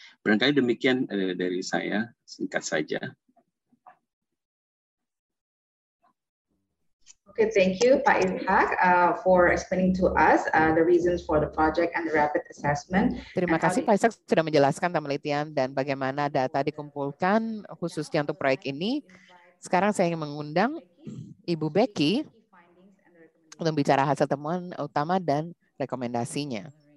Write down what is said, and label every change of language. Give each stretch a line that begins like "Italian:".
Indonesian: Barangkali demikian dari saya, singkat saja.
English: Okay, thank you, Pak Ilhak, for explaining to us the reasons for the project and the rapid assessment.
Indonesian: Terima kasih, Pak Ilhak, sudah menjelaskan penelitian dan bagaimana data dikumpulkan khususnya untuk proyek ini. Sekarang saya ingin mengundang Ibu Becky untuk bicara hasil temuan utama dan rekomendasinya.